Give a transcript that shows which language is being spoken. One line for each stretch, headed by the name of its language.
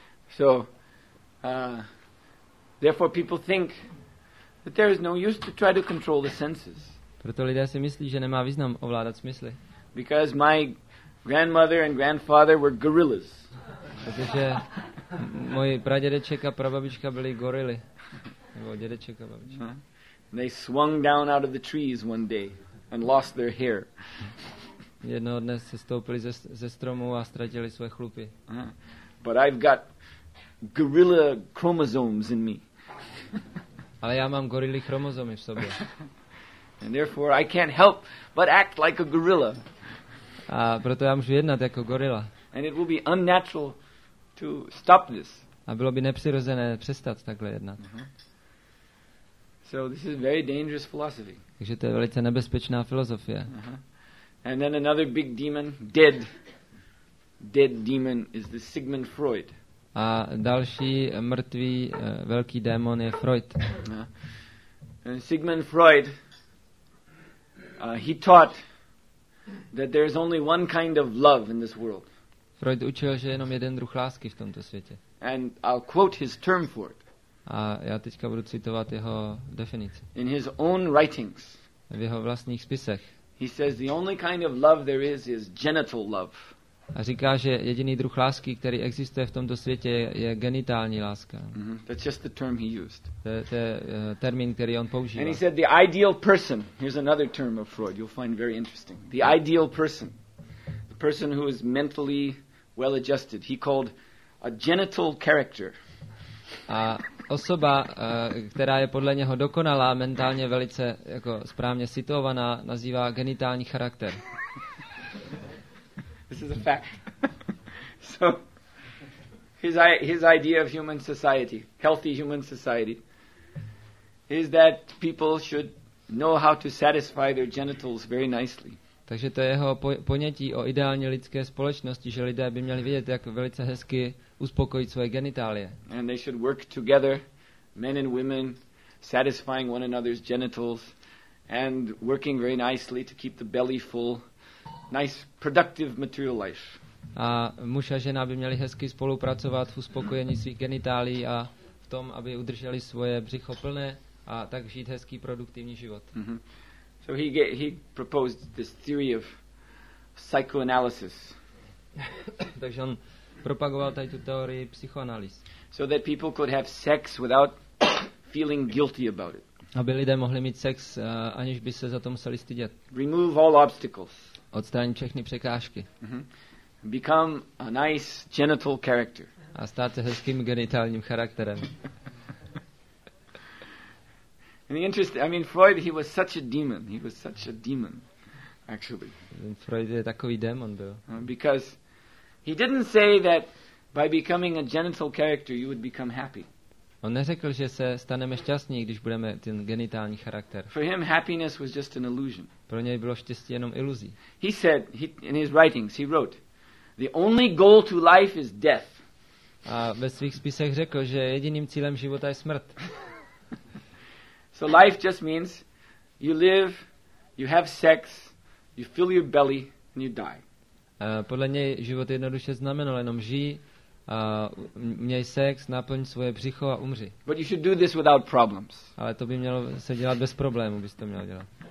English: So therefore people think that there is no use to try to control the senses.
Czech: Proto lidé si myslí, že nemá význam ovládat smysly.
English: Because my grandmother and grandfather were gorillas.
Czech: Protože moji pradědeček a prababička byli gorily. Nebo dědeček a babička.
English: They swung down out of the trees one day and lost their hair.
Czech: Jednoho dne se stoupili ze stromu a ztratili své chlupy.
English: But I've got gorilla chromosomes in me.
Czech: Ale já mám gorily chromosomy v sobě.
English: And therefore I can't help but act like a gorilla.
Czech: A proto já můžu jednat jako gorila.
English: And it will be unnatural to stop this.
Czech: A bylo by nepřirozené přestat takhle jednat.
English: So this is very dangerous philosophy.
Czech: Takže to je velice nebezpečná filozofie.
English: And then another big demon, dead demon is the Sigmund Freud.
Czech: A další mrtvý velký démon je Freud.
English: And Sigmund Freud, he taught that there is only one kind of love in this world.
Czech: Freud učil, že jenom jeden druh lásky v tomto světě.
English: And I'll quote his term for it.
Czech: A já teďka budu citovat jeho definici.
English: In his own writings.
Czech: V jeho vlastních spisech.
English: He says the only kind of love there is genital love.
Czech: A říká, že jediný druh lásky, který existuje v tomto světě, je genitální láska.
English: That's just the term he used.
Czech: To je termín, který on používá.
English: And he said the ideal person. Here's another term of Freud. You'll find very interesting. The ideal person. The person who is mentally well adjusted. He called a genital character.
Czech: A osoba, která je podle něho dokonalá, mentálně velice jako správně situovaná, nazývá genitální charakter.
English: This is a fact. So his idea of human society, healthy human society, is that people should know how to satisfy their genitals very nicely.
Czech: Takže to je jeho ponětí o ideální lidské společnosti, že lidé by měli vědět, jak velice hezky uspokojit svoje genitálie.
English: And they should work together, men and women, satisfying one another's genitals and working very nicely to keep the belly full. Nice productive material life.
Czech: A muž a žena by měli hezky spolupracovat v uspokojení svých genitálií a v tom, aby udrželi svoje břicho plné a tak žít hezký produktivní život.
English: So he proposed this theory of psychoanalysis.
Czech: Takže on propagoval tady tu teorii psychoanalýz.
English: So that people could have sex without feeling guilty about it.
Czech: Aby lidé mohli mít sex, aniž by se za to museli stydět.
English: Remove all obstacles.
Czech: Odstranit všechny překážky.
English: Become a nice genital character.
Czech: A stát se hezkým genitálním charakterem.
English: And the interesting, I mean Freud, he was such a demon. He was such a demon, actually.
Czech: Freud je takový démon byl.
English: Because he didn't say that by becoming a genital character you would become happy.
Czech: On neřekl, že se staneme šťastní, když budeme ten genitální charakter.
English: For him happiness was just an illusion.
Czech: Pro něj bylo štěstí jenom iluzí.
English: He said in his writings, he wrote, the only goal to life is death.
Czech: A ve svých spisech řekl, že jediným cílem života je smrt.
English: So life just means you live, you have sex, you fill your belly and you die.
Czech: Podle něj život jednoduše znamenal jenom žij, měj sex, naplň svoje břicho a umři.
English: But you should do this without problems.
Czech: Ale to by mělo se dělat bez problémů, bys to měl dělat.